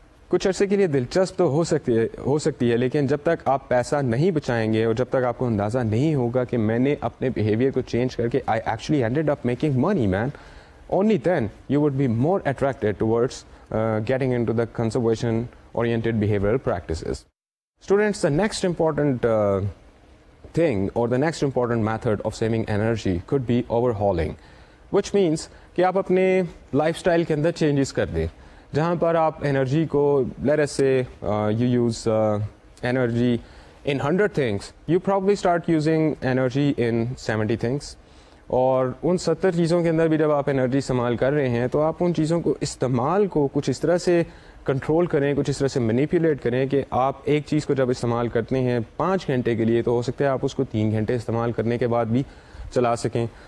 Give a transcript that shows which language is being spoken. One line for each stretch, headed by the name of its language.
Urdu: کچھ عرصے کے لیے دلچسپ تو ہو سکتی ہے, لیکن جب تک آپ پیسہ نہیں بچائیں گے اور جب تک آپ کو اندازہ نہیں ہوگا کہ میں نے اپنے بیہیویئر کو چینج کر کے
English: I actually ended up making money man, only then you would be more attracted towards getting into the conservation oriented behavioural practices. Students, the next important thing or the next important method of saving energy could be overhauling, which means
Urdu: کہ آپ اپنے life style کے اندر changes کر دیں. جہاں پر آپ energy کو
English: let us say you use energy in 100 things, you probably start using energy in 70 things.
Urdu: اور ان 70 چیزوں کے اندر بھی جب آپ انرجی استعمال کر رہے ہیں تو آپ ان چیزوں کو استعمال کو کچھ اس طرح سے کنٹرول کریں, کچھ اس طرح سے مینیپولیٹ کریں کہ آپ ایک چیز کو جب استعمال کرتے ہیں 5 گھنٹے کے لیے تو ہو سکتا ہے آپ اس کو 3 گھنٹے استعمال کرنے کے بعد بھی چلا سکیں.